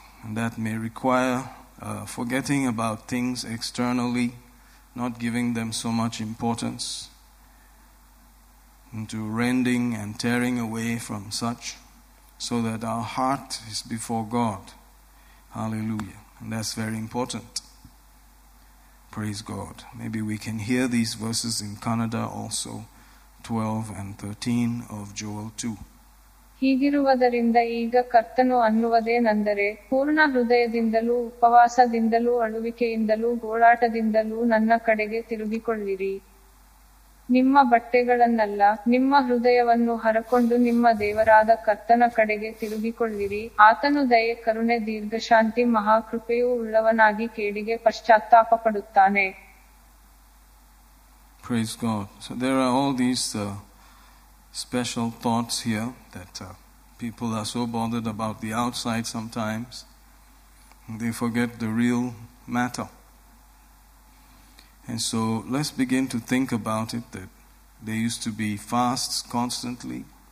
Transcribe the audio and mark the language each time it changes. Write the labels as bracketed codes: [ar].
[en] And that may require forgetting about things externally, not giving them so much importance, into rending and tearing away from such, so that our heart is before God. Hallelujah. And that's very important. Praise God. Maybe we can hear these verses in Kannada also, 12 and 13 of Joel 2. [kn] ಹೀಗಿರುವುದರಿಂದ ಈಗ ಕರ್ತನು ಅನ್ನುವುದೇನೆಂದರೆ ಪೂರ್ಣ ಹೃದಯದಿಂದಲೂ ಉಪವಾಸದಿಂದಲೂ ಅಳುವಿಕೆಯಿಂದಲೂ ಗೋಳಾಟದಿಂದಲೂ ನನ್ನ ಕಡೆಗೆ ತಿರುಗಿಕೊಳ್ಳಿರಿ. ನಿಮ್ಮ ಬಟ್ಟೆಗಳನ್ನಲ್ಲ, ನಿಮ್ಮ ಹೃದಯವನ್ನು ಹರಕೊಂಡು ನಿಮ್ಮ ದೇವರಾದ ಕರ್ತನ ಕಡೆಗೆ ತಿರುಗಿಕೊಳ್ಳಿರಿ. ಆತನು ದಯೆ, ಕರುಣೆ, ದೀರ್ಘಶಾಂತಿ, ಮಹಾಕೃಪೆಯೂ ಉಳ್ಳವನಾಗಿ ಕೇಡಿಗೆ ಪಶ್ಚಾತ್ತಾಪ ಪಡುತ್ತಾನೆ. [en] Praise God. So there are all these special thoughts here that people are so bothered about the outside sometimes, they forget the real matter. And so let's begin to think about it, that there used to be fasts constantly.